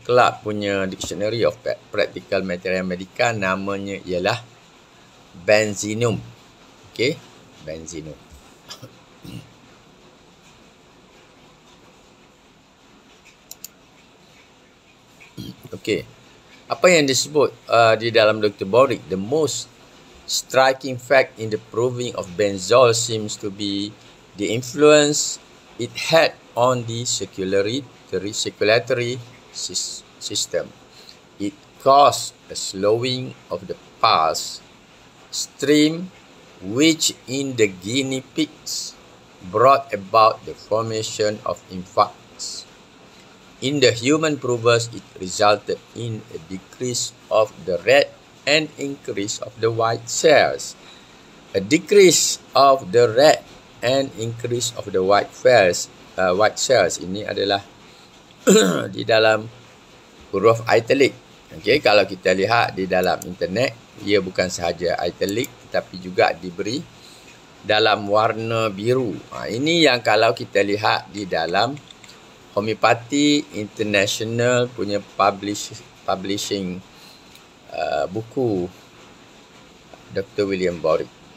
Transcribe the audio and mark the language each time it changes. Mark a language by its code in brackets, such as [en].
[ms] Clark punya Dictionary of Practical Material Medica namanya ialah Benzinum. Okey, Benzinum. Okey. Apa yang disebut di dalam Dr. [en] Borick, the most striking fact in the proving of benzol seems to be the influence it had on the circulatory system. It caused a slowing of the pulse stream, which in the guinea pigs brought about the formation of infarct. In the human provers, it resulted in a decrease of the red and increase of the white cells. A decrease of the red and increase of the white cells. [ms] White cells ini adalah di dalam huruf italic. Okay, kalau kita lihat di dalam internet, ia bukan sahaja italic tapi juga diberi dalam warna biru. Ini yang kalau kita lihat di dalam Homeopathy International punya publishing buku Dr. William Borick.